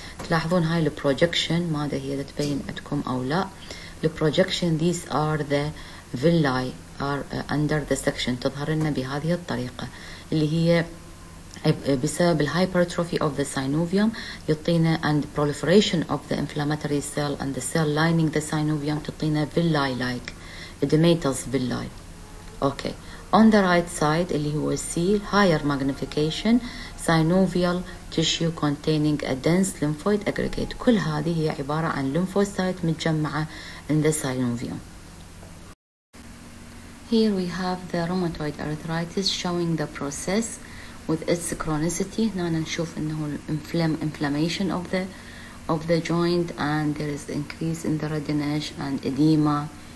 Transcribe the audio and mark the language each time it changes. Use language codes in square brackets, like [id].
[ar] تلاحظون هاي ال projection ماذا هي تبين عندكم أو لا. [en] The projection, these are the villi are under the section. [ar] تظهر لنا بهذه الطريقة اللي هي بسبب الـ [en] hypertrophy of the synovium يعطينا and proliferation of the inflammatory cell and the cell lining the synovium تعطينا villi like edematous villi. Okay. On the right side [ar] اللي هو [en] C higher magnification synovial tissue containing a dense lymphoid aggregate. [ar] كل هذه هي عبارة عن lymphocyte متجمعة [en] in the synovium. Here we have the rheumatoid arthritis showing the process with its chronicity. [ar] هنا نشوف انه [en] inflammation of the joint and there is increase in the redness and edema.